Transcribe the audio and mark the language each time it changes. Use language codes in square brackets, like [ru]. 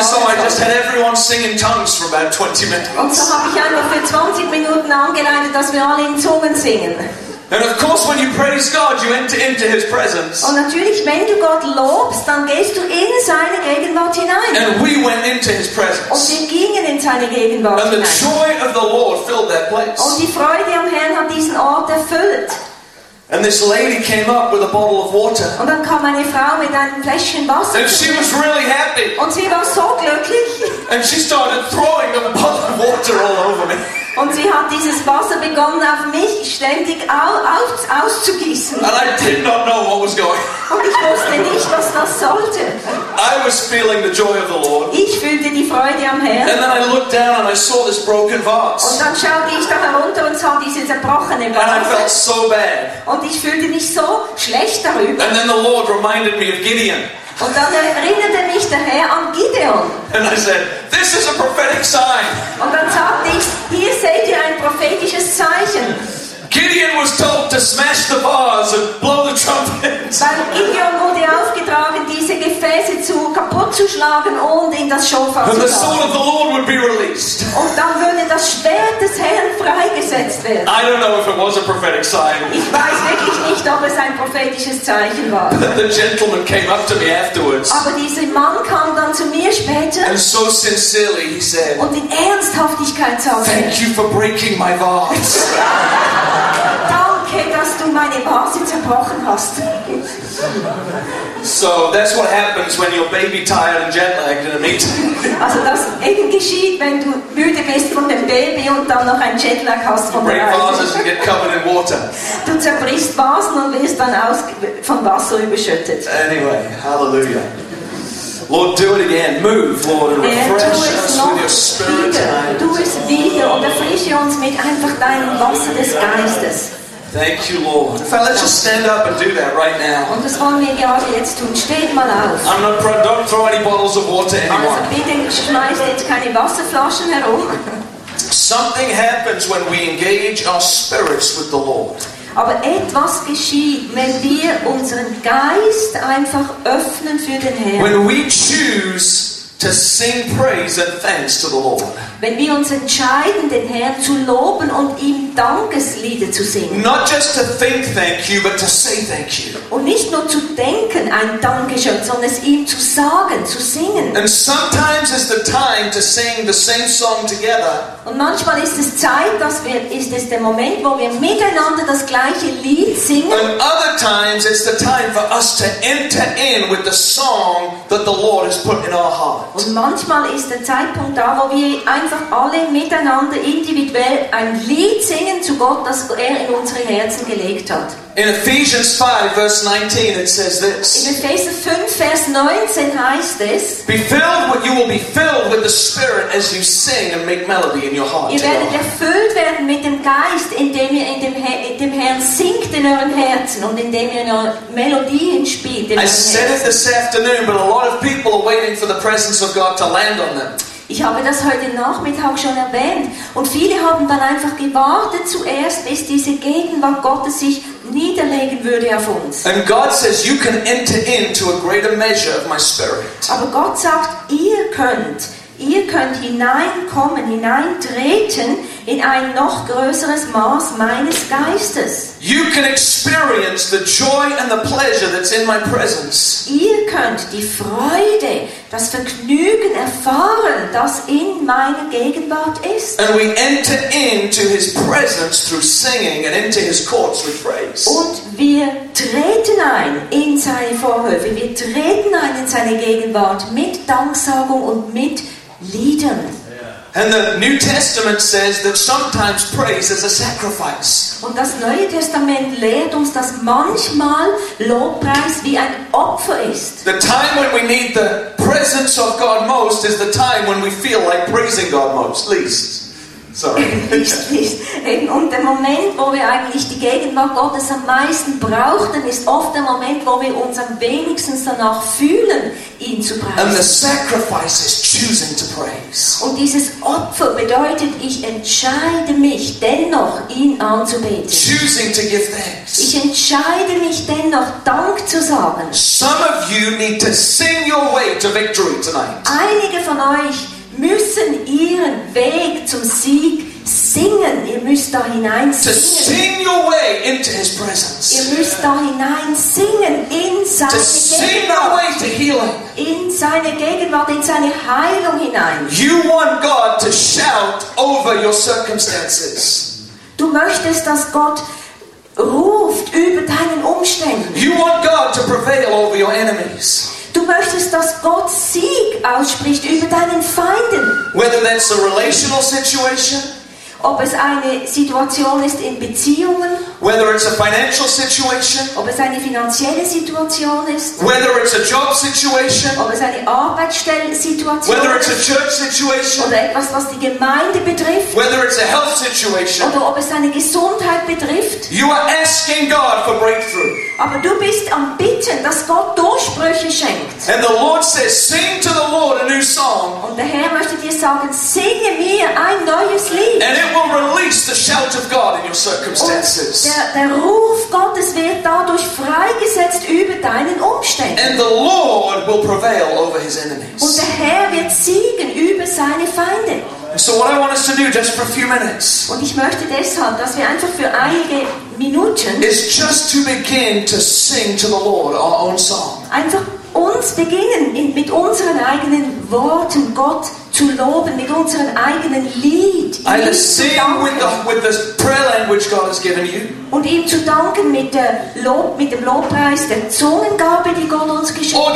[de] sollte. [en] And so I just had everyone sing in tongues for about 20 minutes. [de] Und so habe ich einfach für 20 Minuten angeleitet, dass wir alle in Zungen singen. [en] And of course when you praise God, you enter into his presence. [de] Und natürlich, wenn du Gott lobst, dann gehst du in seine Gegenwart hinein. [en] And we went into his presence. [de] Und wir gingen in seine Gegenwart hinein. [en] And the joy of the Lord filled that place. [de] Und die Freude am Herrn hat diesen Ort erfüllt. [en] And this lady came up with a bottle of water. [de] Und dann kam eine Frau mit einem Fläschchen Wasser. [en] And she was really happy. [de] Und sie war so glücklich. [en] And she started throwing the bottle of water all over me. [de] Und sie hat dieses Wasser begonnen auf mich ständig auszugießen. [en] And I did not know what was going on. [de] Und ich wusste nicht, was das sollte. [en] I was feeling the joy of the Lord. [de] Ich fühlte die Freude am Herrn. [en] And then I looked down and I saw this broken vase. [de] Und dann schaute ich da herunter und sah diese zerbrochene Vase. [en] And I felt so bad. [de] Und ich fühlte mich so schlecht darüber. [en] And then the Lord reminded me of Gideon. [de] Und dann erinnerte mich der Herr an Gideon. [en] And I said, this is a prophetic sign. [de] Und dann sagte ich, hier seht ihr ein prophetisches Zeichen. [en] Gideon was told to smash the bars and blow the trumpets. [de] Weil Gideon wurde aufgetragen, diese Gefäße kaputt zu schlagen und in das Schofar zu [en] And the sword of the Lord would be released. [de] Und dann würde das Schwert des Herrn freigesetzt werden. [en] I don't know if it was a prophetic sign. [de] Ich weiß wirklich nicht, ob es ein prophetisches Zeichen war. [en] But the gentleman came up to me afterwards. [de] Aber dieser Mann kam dann zu mir später. [en] And so sincerely he said. [de] Und in Ernsthaftigkeit sagte er. [en] Thank you for breaking my vase. [de] Danke, dass du meine Vase zerbrochen hast. [en] So that's what happens when you're baby tired and jet lagged in a meeting. [de] Also das eben geschieht, wenn du müde bist von dem Baby und dann noch ein Jetlag hast von der Reise. [en] Break vases and get covered in water. [de] Du zerbrichst Vasen und wirst dann von Wasser überschüttet. [en] Anyway, hallelujah. Lord, do it again. Move, Lord, and refresh us with your spirit tonight. [de] Tu es wieder und erfrische uns mit einfach deinem Wasser des Geistes. [en] Thank you, Lord. In fact, let's just stand up and do that right now. [de] Und das wollen wir gerade jetzt tun. Steht mal auf. [en] I'm not don't throw any bottles of water anymore. [de] Also bitte schmeißt jetzt keine Wasserflaschen herum. [en] Something happens when we engage our spirits with the Lord. [de] Aber etwas geschieht, wenn wir unseren Geist einfach öffnen für den Herrn. [en] When we choose to sing praise and thanks to the Lord. [de] Wenn wir uns entscheiden, den Herrn zu loben und ihm Dankeslieder zu singen. [en] Not just to think thank you, but to say thank you. [de] Und nicht nur zu denken ein Dankeschön, sondern es ihm zu sagen, zu singen. [en] And sometimes is the time to sing the same song together. [de] Und manchmal ist es Zeit, ist es der Moment, wo wir miteinander das gleiche Lied singen. [en] And other times is the time for us to enter in with the song that the Lord has put in our heart. [de] Und manchmal ist der Zeitpunkt da, wo wir einfach alle miteinander individuell ein Lied singen zu Gott, das er in unsere Herzen gelegt hat. [en] In Ephesians 5, verse 19, it says this. [de] In Ephesians 5, Vers 19 heißt es, [en] be filled with, you will be filled with the Spirit as you sing and make melody in your heart. [de] Ihr werdet erfüllt werden mit dem Geist, indem ihr in dem Herrn singt in euren Herzen und indem ihr eine Melodie spielt. [en] I said it this afternoon, but a lot of people are waiting for the presence of God to land on them. [de] Ich habe das heute Nachmittag schon erwähnt. Und viele haben dann einfach gewartet zuerst, bis diese Gegenwart Gottes sich niederlegen würde auf uns. [en] And God says, you can enter into a greater measure of my spirit. [de] Aber Gott sagt, ihr könnt hineinkommen, hineintreten in ein noch größeres Maß meines Geistes. [en] You can experience the joy and the pleasure that's in my presence. [de] Ihr könnt die Freude, das Vergnügen erfahren, das in meiner Gegenwart ist. [en] And we enter into his presence through singing and into his courts with praise. [de] Und wir treten ein in seine Vorhöfe, wir treten ein in seine Gegenwart mit Danksagung und mit Liedern. [en] And the New Testament says that sometimes praise is a sacrifice. [de] Und das Neue Testament lehrt uns, dass manchmal Lobpreis wie ein Opfer ist. [en] The time when we need the presence of God most is the time when we feel like praising God most, least. Sorry. [de] Und der Moment, wo wir eigentlich die Gegenwart Gottes am meisten brauchen, ist oft der Moment, wo wir uns am wenigsten danach fühlen, ihn zu preisen. [en] And the sacrifice is choosing to praise. [de] Und dieses Opfer bedeutet, ich entscheide mich dennoch, ihn anzubeten. [en] Choosing to give thanks. [de] Ich entscheide mich dennoch, Dank zu sagen. [en] Some of you need to sing your way to victory tonight. [de] Einige von euch müssen ihren Weg zum Sieg singen. Ihr müsst da hinein singen. [en] To sing your way into his presence. [de] Ihr müsst da hinein singen in seine [en] to [de] Gegenwart. [en] Sing your way to healing. [de] In seine Gegenwart, in seine Heilung hinein. [en] You want God to shout over your circumstances. [de] Du möchtest, dass Gott ruft über deinen Umständen. [en] You want God to prevail over your enemies. [de] Du möchtest, dass Gott Sieg ausspricht über deinen Feinden. [en] Whether that's a relational situation, [de] Ob es eine Situation ist in Beziehungen. [en] Whether it's a financial situation. [de] Ob es eine finanzielle Situation ist. [en] Whether it's a job situation. [de] Ob es eine Arbeitsstellensituation ist. [en] Whether it's a church situation. [de] Oder etwas, was die Gemeinde betrifft. [en] Whether it's a health situation. [de] Oder ob es eine Gesundheit betrifft. [en] You are asking God for breakthrough. [de] Aber du bist am Bitten, dass Gott Durchbrüche schenkt. [en] And the Lord says, sing to the Lord a new song. [de] Und der Herr möchte dir sagen, singe mir ein neues Lied. [en] And it will release the shout of God in your circumstances. [de] Der Ruf Gottes wird dadurch freigesetzt über deinen Umständen. [en] And the Lord will prevail over his enemies. [de] Und der Herr wird siegen über seine Feinde. [en] So what I want us to do just for a few minutes. [de] Und ich möchte deshalb, dass wir einfach für einige Minuten [en] is just to begin to sing to the Lord our own song. [de] Einfach uns beginnen mit unseren eigenen Worten Gott zu loben, mit unseren eigenen Lied ihm zu danken. [en] With the prayer language God has given you. [de] Und ihm zu danken mit dem Lobpreis, der Zungengabe, die Gott uns geschenkt hat.